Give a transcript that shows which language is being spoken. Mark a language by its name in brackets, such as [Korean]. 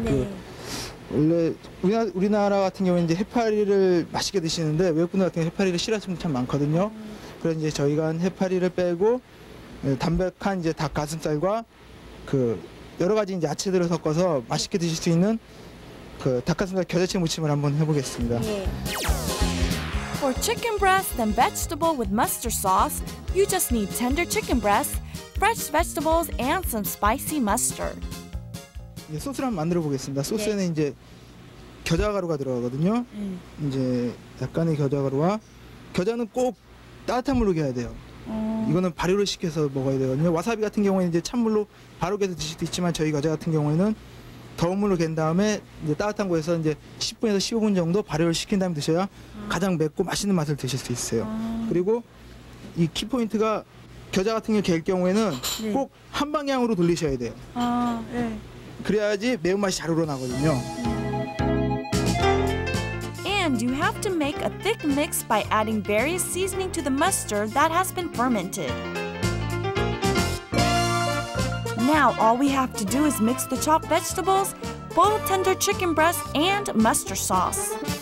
[Korean] 그 원래 우리나라 같은 경우에 이제 해파리를 맛있게 드시는데 외국분들 같은 경우 해파리를 싫어하시는 분 참 많거든요. 그래서 이제 저희가 해파리를 빼고 담백한 이제 닭가슴살과 그 여러 가지 이제 야채들을 섞어서 맛있게 드실 수 있는 그 닭가슴살 겨자채 무침을 한번 해보겠습니다. [English] For chicken breast and vegetable with mustard sauce, you just need tender chicken breast, fresh vegetables, and some spicy mustard. [Korean] 이제 소스를 한번 만들어 보겠습니다. 소스에는 이제 겨자가루가 들어가거든요. 이제 약간의 겨자가루와 겨자는 꼭 따뜻한 물로 개야 돼요. 이거는 발효를 시켜서 먹어야 되거든요. 와사비 같은 경우에는 이제 찬물로 바로 개서 드실 수도 있지만 저희 겨자 같은 경우에는 더운 물로 갠 다음에 이제 따뜻한 곳에서 이제 10분에서 15분 정도 발효를 시킨 다음에 드셔야 가장 맵고 맛있는 맛을 드실 수 있어요. 그리고 이 키포인트가 겨자 같은 게 갤 경우에는 꼭 한 방향으로 돌리셔야 돼요. 그래야지 매운맛이 잘 우러나거든요. [English] And you have to make a thick mix by adding various seasoning to the mustard that has been fermented. Now all we have to do is mix the chopped vegetables, boiled tender chicken breast, and mustard sauce.